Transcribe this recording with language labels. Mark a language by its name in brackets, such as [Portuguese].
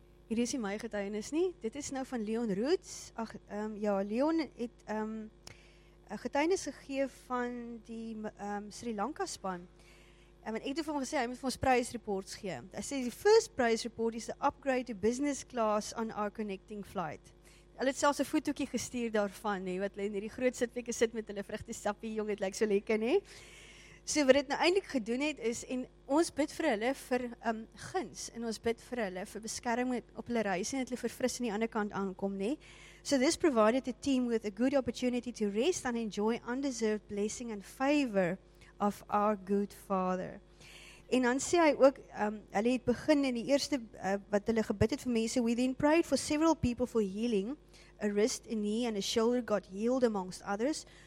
[Afrikaans] Hier is nie my getuienis nie. Dit is nou van Leon Roots. Ach, ja, Leon het getuienis gegee van die Sri Lanka span. En ek het vir hom gesê, hy moet vir ons prize reports gee. Hy sê, die [English] first prize report is the upgrade to business class on our connecting flight. [Afrikaans] Hulle het selfs 'n fotoekie gestuur daarvan, nie, wat hulle in die groot sitplekke sit met hulle vrugte sappie, jong, het lyk so lekker, nie. So wat dit nou eindelijk gedoen het is, en ons bid vir hulle vir guns, en ons bid vir hulle vir beskerming op hulle reis, en dat hulle verfris aan die ander kant aankom, nie. [English] So this provided the team with a good opportunity to rest and enjoy undeserved blessing and favor of our good father. [Afrikaans] En dan sê hy ook, hulle het begin in die eerste, wat hulle gebid het vir mense, [English] we then prayed for several people for healing, a wrist, a knee and a shoulder got healed amongst others.